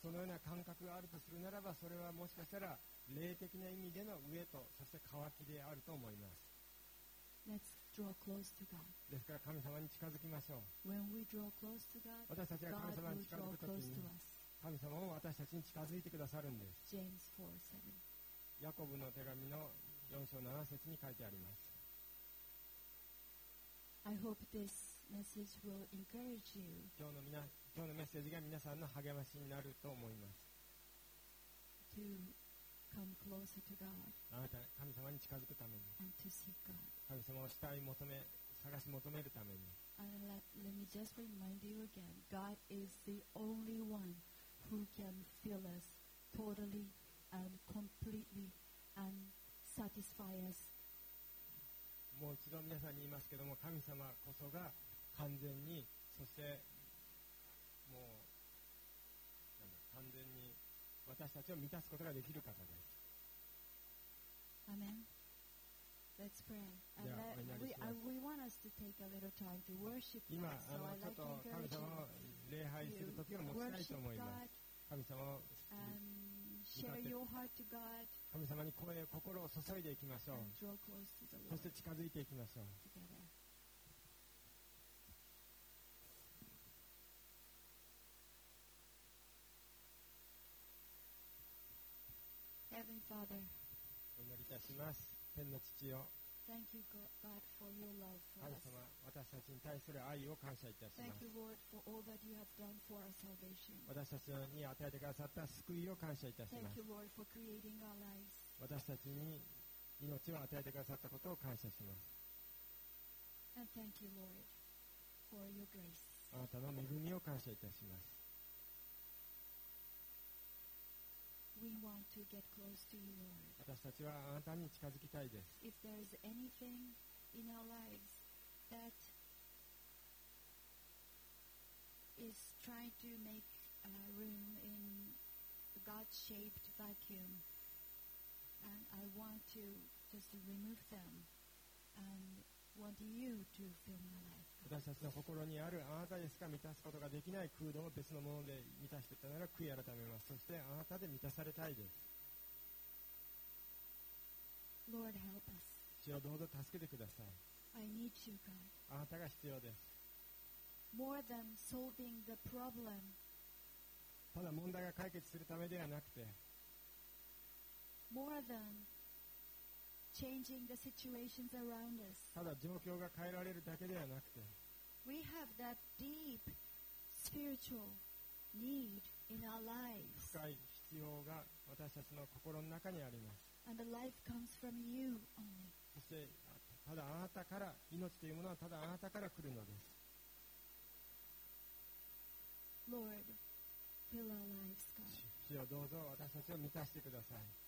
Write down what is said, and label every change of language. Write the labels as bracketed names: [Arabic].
[Japanese] そのような感覚があるとするならばそれはもしかしたら霊的な意味での飢えとそして渇きであると思います。 [English] Let's draw close to God. [Japanese] ですから神様に近づきましょう。 [English] When we draw close to God, [Japanese] 私たちが神様に近づくときに神様も私たちに近づいてくださるんです。 [English] James 4:7. [Japanese] ヤコブの手紙の4章7節に書いてあります。 [English] I hope this message will encourage you. [Japanese] 今日のメッセージが皆さんの励ましになると思います。 [English] To come closer to God. [Japanese] あなた、神様に近づくために。 [English] And to seek God. [Japanese] 神様を慕い求め、探し求めるために。 [English] And let me just remind you again, God is the only one who can fill us totally and completely and satisfy us. [Japanese] もう一度皆さんに言いますけども、神様こそが完全に、そしてもう完全に私たちを満たすことができる方です。 [English] アメン。Let's pray. We want us to take a little time to worship God. [Japanese] 今ちょっと神様を礼拝する時を持ちたいと思います。神様を [English] share your heart to God. [Japanese] 神様に声心を注いでいきましょう。そして近づいていきましょう。お祈りいたします。天の父よ、 [English] Thank you, God, for your love for us. [Japanese] 神様、私たちに対する愛を感謝いたします。 [English] Thank you, Lord, for all that you have done for our salvation. [Japanese] 私たちに与えてくださった救いを感謝いたします。 [English] Thank you, Lord, for creating our lives. [Japanese] 私たちに命を与えてくださったことを感謝します。 [English] And thank you, Lord, for your grace. [Japanese] あなたの恵みを感謝いたします。 [English] We want to get close to you, Lord. [Japanese] 私たちはあなたに近づきたいです。 [English] If there is anything in our lives that is trying to make a room in God-shaped vacuum, and I want to just remove them and want you to fill my life. [Japanese] 私たちの心にあるあなたでしか満たすことができない空洞を別のもので満たしていたなら悔い改めます。そしてあなたで満たされたいです。 [English] Lord, help us. [Japanese] 主よ、どうぞ助けてください。 [English] I need you, God. [Japanese] あなたが必要です。 [English] More than solving the problem. [Japanese] ただ問題が解決するためではなくて、 [English] More thanChanging the situations around us. [Japanese] ただ状況が変えられるだけではなくて、 [English] We have that deep spiritual need in our lives. [Japanese] 深い必要が私たちの心の中にあります。 [English] And the life comes from you only. [Japanese] そしてただあなたから、命というものはただあなたから来るのです。 [English] Lord, fill our lives, God. [Japanese] 主よ、どうぞ私たちを満たしてください。